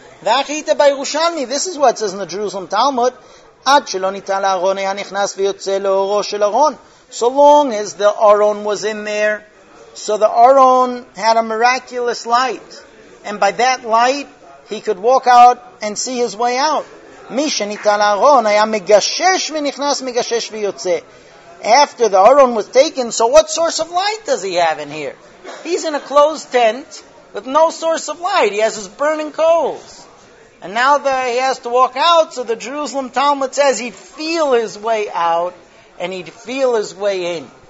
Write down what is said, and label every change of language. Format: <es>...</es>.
<en>This is what it says in the Jerusalem Talmud.</en> <he>Ad shelo nital aron haya nichnas v'yotze l'oro shel aron.</he> <en>So long as the Aron was in there. So the Aron had a miraculous light. And by that light, he could walk out and see his way out.</en> <he>מי שניתן לארון היה מגשש ונכנס, מגשש ויוצא.</he> <en>After the Aron was taken, so what source of light does he have in here? He's in a closed tent with no source of light. He has his burning coals. And now that he has to walk out, so the Jerusalem Talmud says he'd feel his way out and he'd feel his way in.</en>